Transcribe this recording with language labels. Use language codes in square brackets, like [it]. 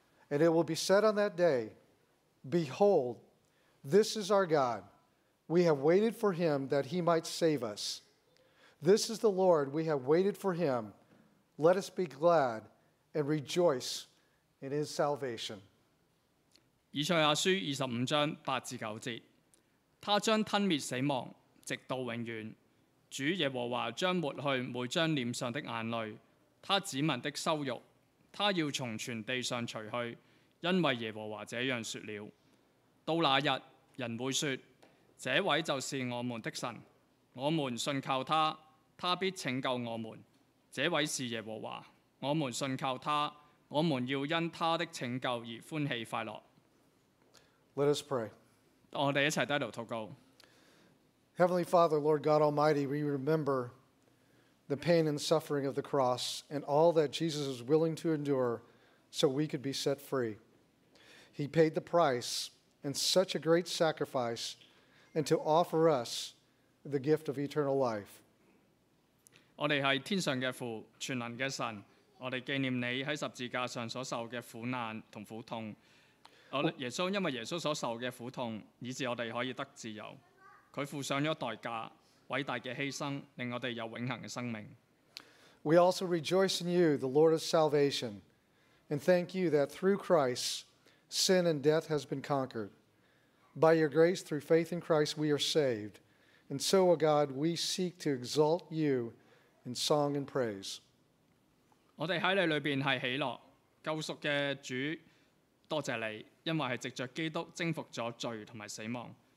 [en] And it will be said on that day, Behold, this is our God. We have waited for him that he might save us. This is the Lord. We have waited for him. Let us be glad and rejoice in his salvation. [zh] 以賽亞書25:8-9. 他將吞滅死亡，直到永遠。主耶和華將抹去每張臉上的眼淚，他子民的羞辱。他要從全地上除去，因為耶和華這樣說了。到那日，人會說，這位就是我們的神，我們信靠他，他必拯救我們。這位是耶和華，我們信靠他，我們要因他的拯救而歡喜快樂。 [en] Let us pray. [zh] 我們一起低頭禱告。 [en] Heavenly Father, Lord God Almighty, we rememberThe pain and suffering of the cross, and all that Jesus was willing to endure so we could be set free. He paid the price and such a great sacrifice, and to offer us the gift of eternal life. [zh] 我们是天上的父，全能的神，我们纪念你在十字架上所受的苦难和苦痛。耶稣因为耶稣所受的苦痛，以致我们可以得自由。他付上了代价。偉大的犧牲，令我們有永恆的生命。 [en] We also rejoice in you, the Lord of salvation, and thank you that through Christ, sin and death has been conquered. By your grace, through faith in Christ, we are saved. And so, O God, we seek to exalt you in song and praise. [zh] 我們在你裏面是喜樂，救贖的主，多謝你，因為是藉著基督征服了罪和死亡。